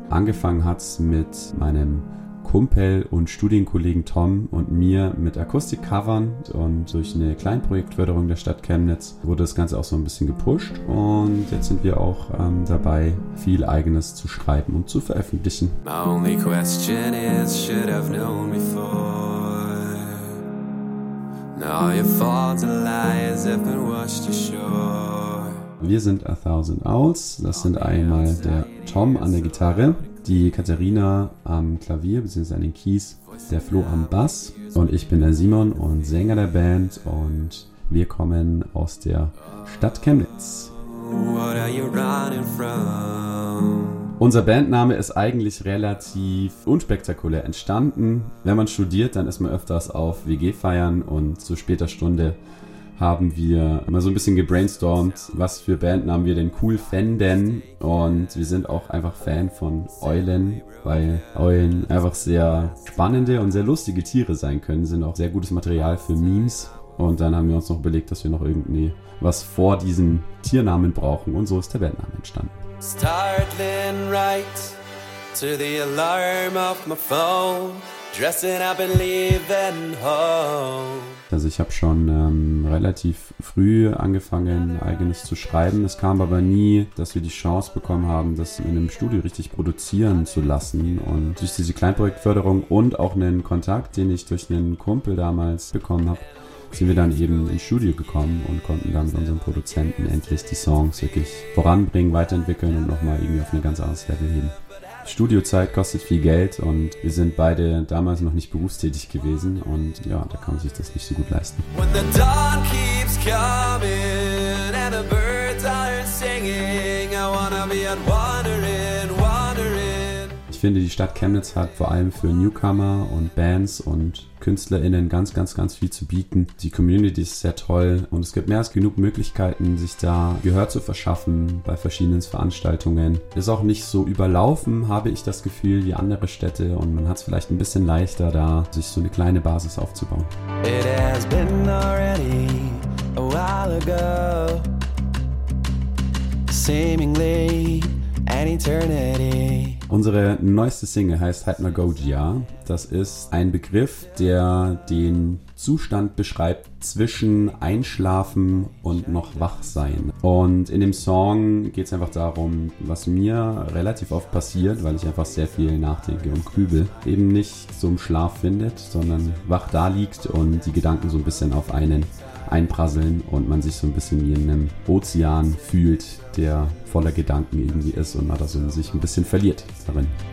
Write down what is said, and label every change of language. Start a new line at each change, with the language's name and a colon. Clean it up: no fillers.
German: Angefangen hat es mit meinem Kumpel und Studienkollegen Tom und mir mit Akustikcovern, und durch eine Kleinprojektförderung der Stadt Chemnitz wurde das Ganze auch so ein bisschen gepusht und jetzt sind wir auch dabei, viel Eigenes zu schreiben und zu veröffentlichen.
English: My only question is, should I've known before? Now your faults and lies have been washed ashore.
German: Wir sind A Thousand Owls, das sind einmal der Tom an der Gitarre, die Katharina am Klavier bzw. an den Keys, der Flo am Bass und ich bin der Simon und Sänger der Band und wir kommen aus der Stadt Chemnitz.
English: What are you running from?
German: Unser Bandname ist eigentlich relativ unspektakulär entstanden. Wenn man studiert, dann ist man öfters auf WG-Feiern und zu später Stunde haben wir mal so ein bisschen gebrainstormt, was für Bandnamen wir denn cool fänden. Und wir sind auch einfach Fan von Eulen, weil Eulen einfach sehr spannende und sehr lustige Tiere sein können. Sind auch sehr gutes Material für Memes. Und dann haben wir uns noch überlegt, dass wir noch irgendwie was vor diesen Tiernamen brauchen. Und so ist der Bandname entstanden.
English: Startling right to the alarm of my phone. Dressing up and leaving home.
German: Also ich habe schon relativ früh angefangen, Eigenes zu schreiben. Es kam aber nie, dass wir die Chance bekommen haben, das in einem Studio richtig produzieren zu lassen. Und durch diese Kleinprojektförderung und auch einen Kontakt, den ich durch einen Kumpel damals bekommen habe, sind wir dann eben ins Studio gekommen und konnten dann mit unseren Produzenten endlich die Songs wirklich voranbringen, weiterentwickeln und nochmal irgendwie auf eine ganz andere Level heben. Studiozeit kostet viel Geld und wir sind beide damals noch nicht berufstätig gewesen und ja, da kann man sich das nicht so gut leisten.
English: When the dawn keeps coming and the birds are singing, I wanna be out wandering, wandering.
German: Ich finde, die Stadt Chemnitz hat vor allem für Newcomer und Bands und KünstlerInnen ganz, ganz, ganz viel zu bieten. Die Community ist sehr toll und es gibt mehr als genug Möglichkeiten, sich da Gehör zu verschaffen bei verschiedenen Veranstaltungen. Ist auch nicht so überlaufen, habe ich das Gefühl, wie andere Städte, und man hat es vielleicht ein bisschen leichter da, sich so eine kleine Basis aufzubauen.
English: It has been already a while ago, seemingly an eternity.
German: Unsere neueste Single heißt Hypnagogia. Das ist ein Begriff, der den Zustand beschreibt zwischen Einschlafen und noch Wachsein. Und in dem Song geht es einfach darum, was mir relativ oft passiert, weil ich einfach sehr viel nachdenke und grübel, eben nicht zum Schlaf findet, sondern wach da liegt und die Gedanken so ein bisschen auf einen einprasseln und man sich so ein bisschen wie in einem Ozean fühlt, der voller Gedanken irgendwie ist und man da so in sich ein bisschen verliert darin.